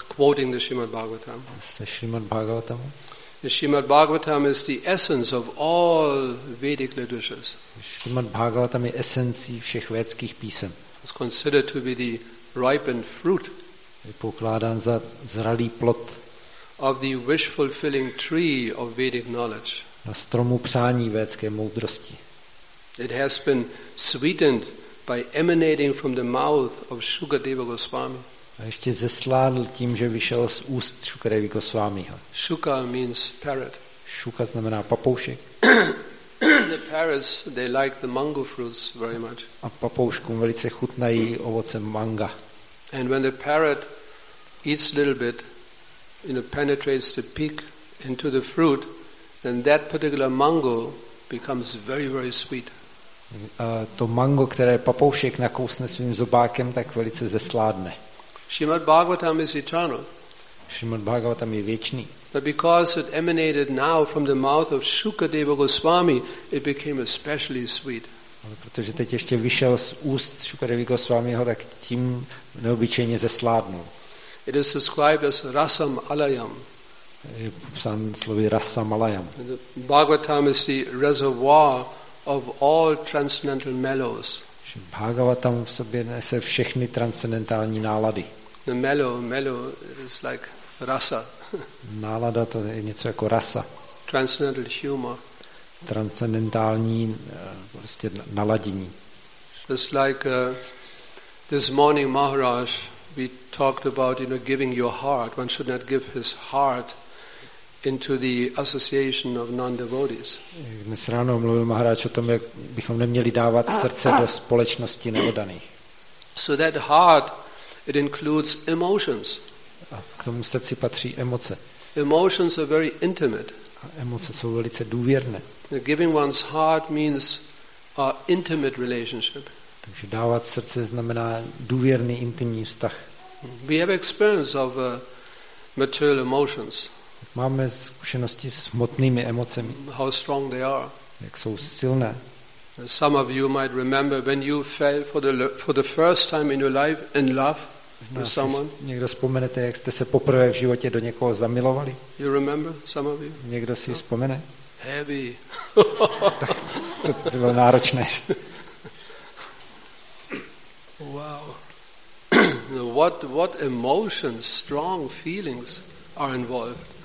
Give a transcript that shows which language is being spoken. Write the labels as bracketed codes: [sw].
[en] Quoting the Srimad Bhagavatam. [cs] Se Srimad Bhagavatam. [en] The Srimad Bhagavatam is the essence of all Vedic literatures. [cs] Srimad Bhagavatam je esencí všech védských písem. [en] It's considered to be the ripened fruit. [cs] Je pokládán za zralý plod. [en] Of the wish-fulfilling tree of Vedic knowledge. [cs] Na stromu přání védské moudrosti. [en] It has been sweetened by emanating from the mouth of Shukadeva Goswami. [cs] A ještě zesládl tím, že vyšel z úst Shukadevy Goswamiho. [en] Shuka means parrot. [cs] Shuka znamená papoušek. [en] The parrots, they like the mango fruits very much. [cs] A papouškům velice chutnají ovoce manga. [en] And when the parrot eats a little bit, you know, penetrates the peak into the fruit, then that particular mango becomes very, very sweet. [cs] A to mango, které papoušek nakousne svým zobákem, tak velice zesládne. [en] Srimad Bhagavatam is eternal. [cs] Srimad Bhagavatam je věčný. [en] But because it emanated now from the mouth of Shukadeva Goswami, it became especially sweet. [cs] Ale protože teď ještě vyšel z úst Shukadevy Goswamiho, tak tím neobyčejně zesládnul. [en] It is described as rasam alayam. [cs] Je popsán slovy rasam alayam. [en] Bhagavatam is the reservoir of all transcendental mellows. [cs] Bhagavatam v sobě nese všechny transcendentální nálady. [en] The mellow is like rasa. [cs] Nálada to je něco jako rasa. [en] Transcendental humor. [cs] Transcendentální prostě naladění. [en] Just like this morning Maharaj, we talked about, you know, giving your heart. One should not give his heart into the association of non-devotees. [cs] Dnes ráno mluvil Maharaj o tom, jak bychom neměli dávat srdce do společnosti neodaných. [en] So that heart, it includes emotions. [cs] A k tomu srdci patří emoce. [en] Emotions are very intimate. [cs] A emoce jsou velice důvěrné. [en] Giving one's heart means a intimate relationship. [cs] Takže dávat srdce znamená důvěrný intimní vztah. [en] We have experience of material emotions. [cs] Máme zkušenosti s hmotnými emocemi. [en] How strong they are. [cs] Jak jsou silné. [en] Some of you might remember when you fell for the first time in your life in love with someone. [cs] Někdo vzpomenete, jak jste se poprvé v životě do někoho zamilovali? [en] You remember some of you? [cs] Někdo si vzpomene? [en] Heavy. [cs] To bylo náročné. [en] Wow. What emotions, strong feelings are involved?